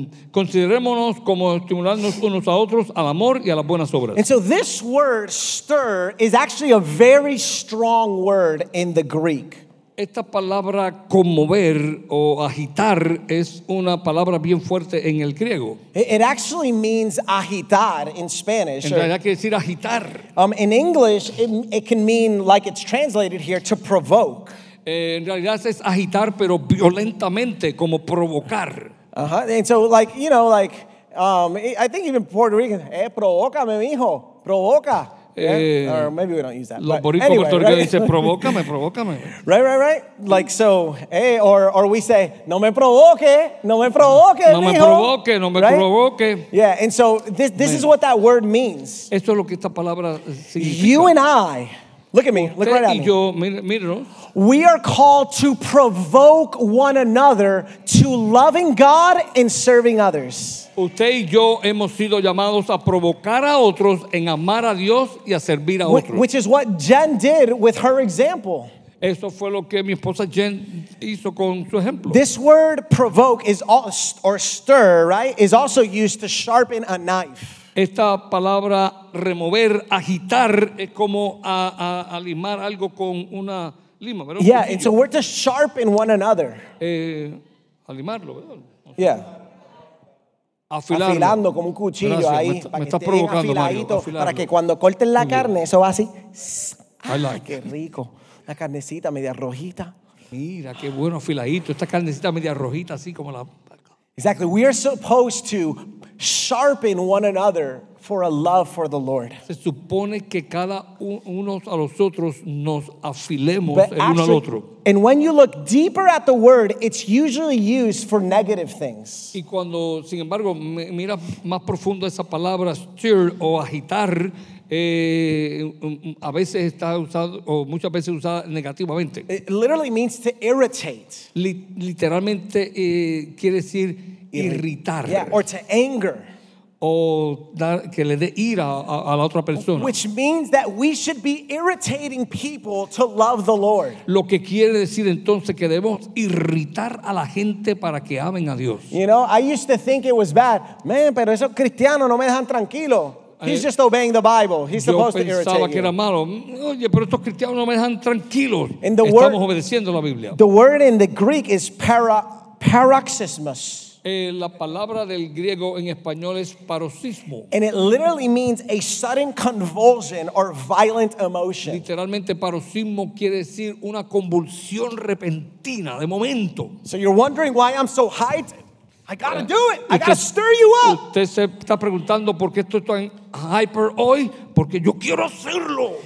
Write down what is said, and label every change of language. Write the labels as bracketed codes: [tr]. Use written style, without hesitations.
[es] Considerémonos como estimularnos unos a otros al amor y a las buenas obras. [en] And so this word stir is actually a very strong word in the Greek. [es] Esta palabra conmover o agitar es una palabra bien fuerte en el griego. [en] It actually means agitar in Spanish. [es] En realidad quiere decir agitar. [en] In English, it can mean, like it's translated here, to provoke. [es] En realidad es agitar, pero violentamente, como provocar. [en] Uh-huh. And so, like, you know, like, I think even Puerto Rican, [es] provoca, mi hijo, provoca. [en] Yeah, or maybe we don't use that. [es] Los boricuas puertorriqueños dicen, provócame, provócame. [en] Right, right, right. Like so, hey, or we say, [es] no me provoque, no me provoque, no me provoque, no me provoque. [en] Yeah, and so this is what that word means. [es] Esto es lo que esta palabra significa. [en] You and I, look at me, look right at me. [es] Y yo, míralo. [en] We are called to provoke one another to loving God and serving others. [es] Usted y yo hemos sido llamados a provocar a otros en amar a Dios y a servir a otros. [en] Which is what Jen did with her example. [es] Eso fue lo que mi esposa Jen hizo con su ejemplo. [en] This word provoke is also, or stir, right, is also used to sharpen a knife. [es] Esta palabra remover, agitar, es como a limar algo con una lima, ¿verdad? [en] Yeah, it's a word to sharpen one another. [es] A limarlo, ¿verdad? [en] Yeah. [es] Afilarlo. Afilando como un cuchillo. Gracias. Ahí me está, para que esté bien afiladito, Mario, para que cuando corten la carne eso va así. Ah, [en] I like. [es] Qué rico, la carnecita media rojita. Mira qué bueno afiladito esta carnecita media rojita así como la. [en] Exactly, we are supposed to sharpen one another for a love for the Lord. [es] Se supone que cada unos a los otros nos afilemos el uno al otro. [en] And when you look deeper at the word, it's usually used for negative things. [es] Y cuando, sin embargo, mira más profundo esa palabra stir o agitar, a veces está usado o muchas veces usada negativamente. [en] It literally means to irritate. [es] Literalmente quiere decir irritar. [en] Yeah, or to anger. [es] O dar, que le dé ira a la otra persona. [en] Which means that we should be irritating people to love the Lord. [es] Lo que quiere decir entonces que debemos irritar a la gente para que amen a Dios. [en] You know, I used to think it was bad. [es] Man, pero esos cristianos no me dejan tranquilo. [en] He's just obeying the Bible. He's supposed to irritate you. [es] Yo pensaba que era malo. Oye, pero estos cristianos no me dejan tranquilo. Estamos obedeciendo la Biblia. [en] The word in the Greek is paroxysmos. [es] La palabra del griego en español es paroxismo. [en] And it literally means a sudden convulsion or violent emotion. [es] Literalmente paroxismo quiere decir una convulsión repentina, de momento. [en] So you're wondering why I'm so hyped? I gotta do it. I gotta stir you up. [es] Usted se está preguntando por qué estoy tan hyper hoy, porque yo quiero hacerlo.